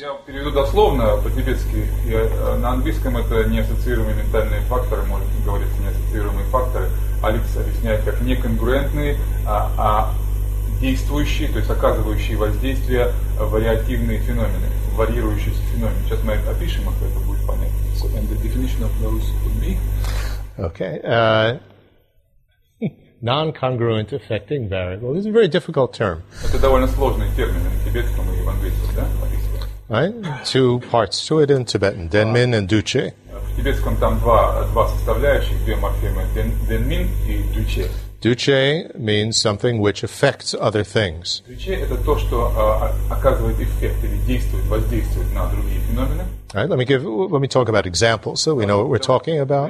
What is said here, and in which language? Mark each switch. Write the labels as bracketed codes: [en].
[ru] Я переведу дословно по-тибетски. На английском это неассоциируемые ментальные факторы, может говорить неассоциируемые факторы. Алекс объясняет как неконгруентные, а действующие, то есть оказывающие воздействие вариативные феномены, варьирующиеся феномены. Сейчас мы опишем их, это будет понятно. [en] So, and the definition of those would be? Okay. Non-congruent affecting variable. This is a very difficult term. [ru] Это довольно сложный термин в тибетском и в английском, да? [en] Right? Two parts to it in Tibetan, Denmin and Duche. [ru] В тибетском там два составляющих, две морфемы, Denmin и Duche. [en] Duche means something which affects other things. [ru] Duche – это то, что оказывает эффект или действует, воздействует на другие феномены. [en] Right? Let me talk about examples so we know what we're talking about.